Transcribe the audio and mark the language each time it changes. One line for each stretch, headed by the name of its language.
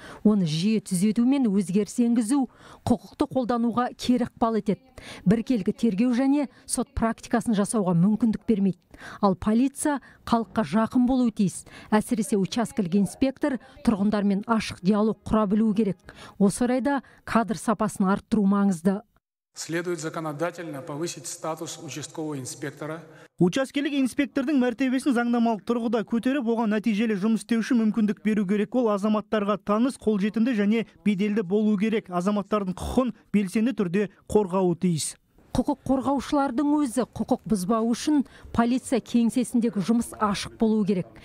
Kazakh: Оны жиі түзету мен өзгеріс енгізу құқықты қолдануға кері ықпал етеді. Біркелкі тергеу және сот практикасын жасауға мүмкіндік бермейді. Ал полиция халыққа жақын болуы тиіс. Әсіресе учаскелік инспектор тұрғындармен ашық диалог құра білуі керек. Осы орайда кадр сапасын арттыру маңызды.
Russian: Следует законодательно повысить статус участкового инспектора.
Kazakh: Учаскелік инспектордың мәртебесін заңнамалық тұрғыда көтеріп, оған нәтижелі жұмыс істеу үшін мүмкіндік беру керек. Ол азаматтарға таныс, қолжетімді және беделді болу керек. Азаматтардың құқын белсенді түрде қорғауы тиіс. Құқық қорғаушылардың өзі құқық бұзбау үшін полиция кеңсесіндегі жұмыс ашық болуы керек.